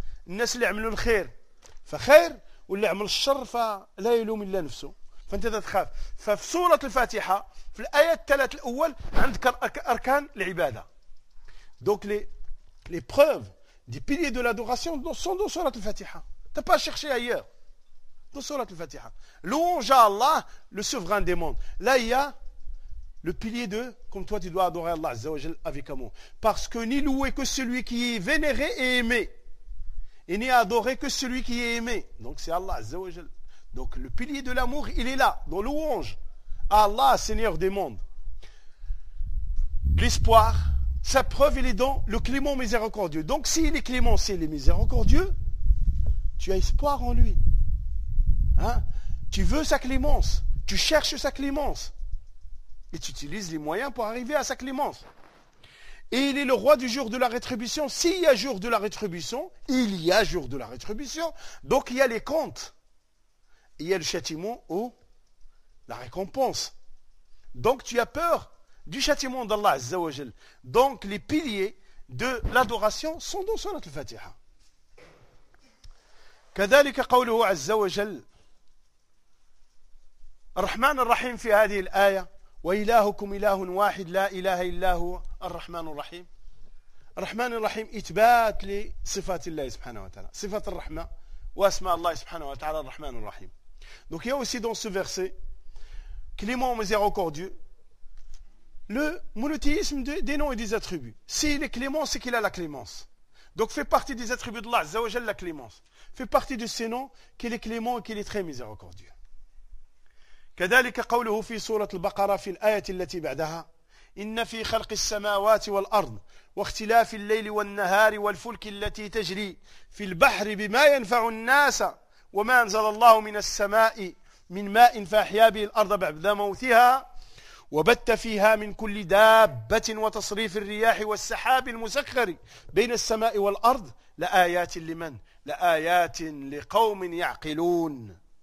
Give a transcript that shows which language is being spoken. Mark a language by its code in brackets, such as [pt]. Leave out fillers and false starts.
[ar] الناس اللي عملوا الخير فخير واللي عمل الشر فلا يلوم إلا نفسه، فأنت تتخاف. ففي سورة الفاتحة في الآية الثلاث الأول عندك أركان العبادة. [fr] دونك لي بروف دي بيليي دو لادوراسيون سون دو سورة الفاتحة. T'as pas cherché ailleurs. Dans Surat al-Fatiha. Louange à Allah, le souverain des mondes. Là, il y a le pilier de, comme toi, tu dois adorer Allah Azza wa Jal avec amour. Parce que ni loué que celui qui est vénéré et aimé. Et ni adoré que celui qui est aimé. Donc, c'est Allah Azza wa Jal. Donc, le pilier de l'amour, il est là, dans louange à Allah, Seigneur des mondes. L'espoir, sa preuve, il est dans le clément miséricordieux. Donc, s'il est clément, s'il est miséricordieux, tu as espoir en lui. Hein? Tu veux sa clémence. Tu cherches sa clémence. Et tu utilises les moyens pour arriver à sa clémence. Et il est le roi du jour de la rétribution. S'il y a jour de la rétribution, il y a jour de la rétribution. Donc il y a les comptes. Il y a le châtiment ou la récompense. Donc tu as peur du châtiment d'Allah Azza wa Jal. Donc les piliers de l'adoration sont dans Surat al-Fatiha. [ar] كذلك قوله عز وجل الرحمن الرحيم في هذه الآية وإلهكم إله واحد لا إله إلا هو الرحمن الرحيم. الرحمن الرحيم إثبات لصفات الله سبحانه وتعالى، صفة الرحمة وأسماء الله سبحانه وتعالى الرحمن الرحيم. [fr] Donc il y a aussi dans ce verset Clément, Miséricordieux, le monothéisme des noms et des attributs. S'il est clément, c'est qu'il a la clémence. Donc fait partie des attributs d'Allah, Azza wa Jal, la clémence. Fait partie de ses noms qu'il est clément et qu'il est très miséricordieux. [ar] كذلك قوله في سورة البقرة في الآية التي بعدها إن في خلق السماوات والأرض واختلاف الليل والنهار والفلك التي تجري في البحر بما ينفع الناس وما أنزل الله من السماء من ماء فأحيا به الأرض بعد موتها وبت فيها من كل دابة وتصريف الرياح والسحاب المسخر بين السماء والأرض لآيات لمن؟ لآيات لقوم يعقلون.